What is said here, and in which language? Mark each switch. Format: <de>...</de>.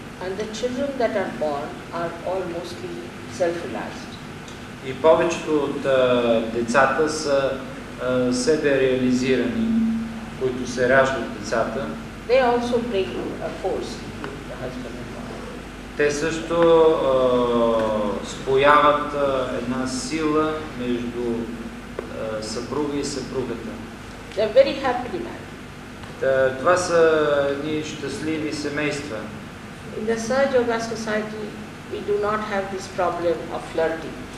<en>And the children that are born are all mostly self-realized.</en> <bg>И повечето от децата са себе реализирани, които се раждат децата.</bg> <en>They also break a force with the husband and wife.</en> <bg>Те също спояват една сила между съпруга и съпругата.</bg> <en>They are very happy married.</en> <bg>Това са едни щастливи семейства.</bg> <en>In the Sahaja Yoga society, we do not have this problem of flirting.</en>